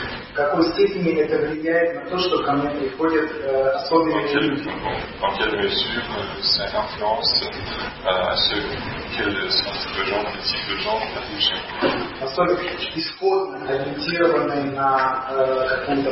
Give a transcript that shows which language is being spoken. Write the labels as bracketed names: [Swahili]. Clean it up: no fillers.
[Russian] в какой степени это влияет на то, что ко мне приходят особенные люди? [French] En quelle mesure ça influence ce type de gens? [Russian] Особенно исходно ориентированные на какую-то